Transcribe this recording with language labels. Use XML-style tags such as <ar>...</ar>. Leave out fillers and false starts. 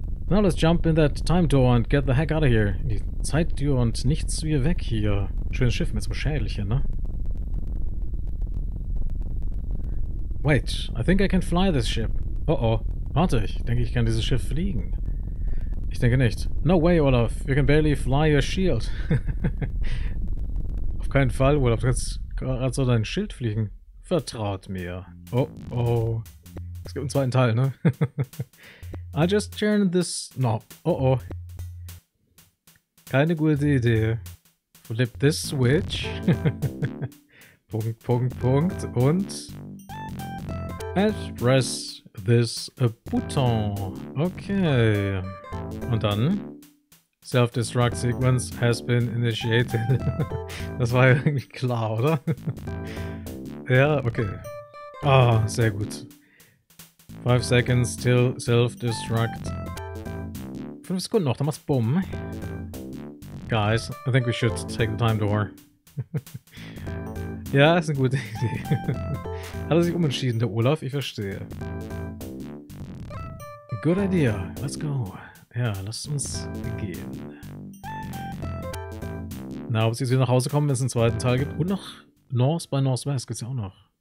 <en>Now let's jump in that time door and get the heck out of here.</en> <de>In die Zeittür und nichts wie weg hier. Schönes Schiff mit so einem Schädelchen, ne?</de> <en>Wait, I think I can fly this ship. Oh oh.</en> <de>Warte, ich denke, ich kann dieses Schiff fliegen. Ich denke nicht.</de> <en>No way, Olaf. You can barely fly your shield.</en> <de>Auf keinen Fall, Olaf. Du kannst gerade so dein Schild fliegen. Vertraut mir. Oh oh. Es gibt einen zweiten Teil, ne?</de> <en>I just turned this knob. Oh oh.</en> <de>Keine gute Idee.</de> <en>Flip this switch.</en> <de>Punkt, Punkt, Punkt. Und.</de> <en>And press this button.</en> <de>Okay. Und dann.</de> <en>Self-destruct sequence has been initiated.</en> <de>Das war ja irgendwie klar, oder? Ja, okay. Ah, sehr gut.</de> <en>5 seconds till self-destruct.</en> <de>5 Sekunden noch, dann mach's bumm.</de> <en>Guys, I think we should take the time door.</en> <de>Ja, ist eine gute Idee. Hat er sich umentschieden, der Olaf? Ich verstehe.</de> <en>Good idea. Let's go.</en> <de>Ja, lass uns gehen. Na, ob sie jetzt wieder nach Hause kommen, wenn es einen zweiten Teil gibt. Und noch North by Northwest gibt es ja auch noch.</de>